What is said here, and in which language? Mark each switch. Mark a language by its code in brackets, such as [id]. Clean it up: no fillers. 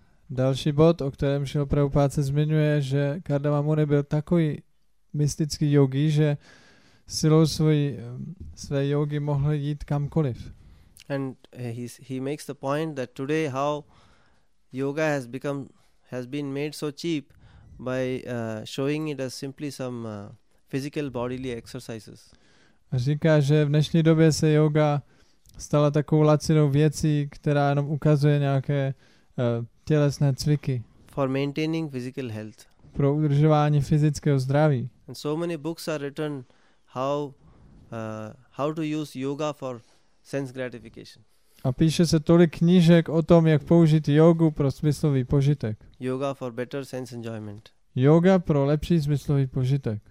[cs] Další bod, o kterém Srila Prabhupada se zmiňuje, že Kardama Muni byl takový mystický yogi, že silou své yogi mohl jít kamkoliv. [en] And he makes the point that today how yoga has been made so cheap by showing it as simply some physical bodily exercises. [cs] Říká, že v dnešní době se yoga stala takovou lacinou věcí, která jenom ukazuje nějaké tělesné cviky. [en] For maintaining physical health. [cs] Pro udržování fyzického zdraví. [en] And so many books are written how to use yoga for sense gratification. [cs] A píše se tolik knížek o tom, jak použít jogu pro smyslový požitek. [en] Yoga for better sense enjoyment. [cs] Yoga pro lepší smyslový požitek.